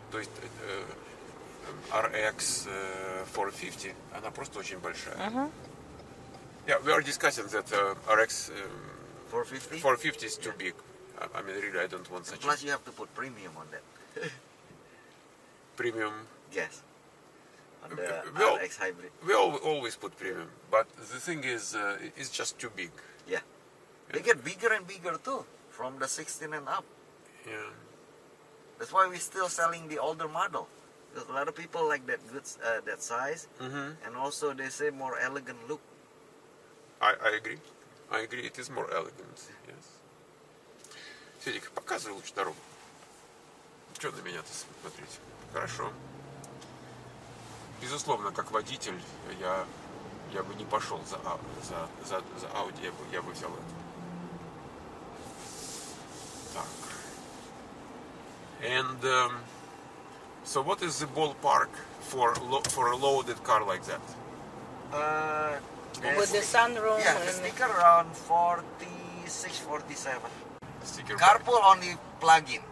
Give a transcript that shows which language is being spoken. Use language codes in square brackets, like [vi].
[ru] То есть RX 450, она просто очень большая. Uh-huh. [en] Yeah, we are discussing that RX 450? 450 is too yeah. big. I mean, really, I don't want such. Plus, you have to put premium on that. Premium? Yes. On the RX Hybrid. We always put premium. But the thing is, it's just too big. Yeah. They get bigger and bigger, too, from the 16 and up. Yeah. That's why we're still selling the older model. Because a lot of people like that good that size. Mm-hmm. And also, they say more elegant look. I agree. It is more elegant. Yes. [ru] Федик, показывай лучше дорогу. Что на меня-то смотреть? Хорошо. Безусловно, как водитель, я бы не пошел за Audi, я бы взял это. Так. [en] And so what is the ballpark for a loaded car like that? With the sunroom. Yeah, the sticker around 46-47. Sticker carpool bike. Only plug-in.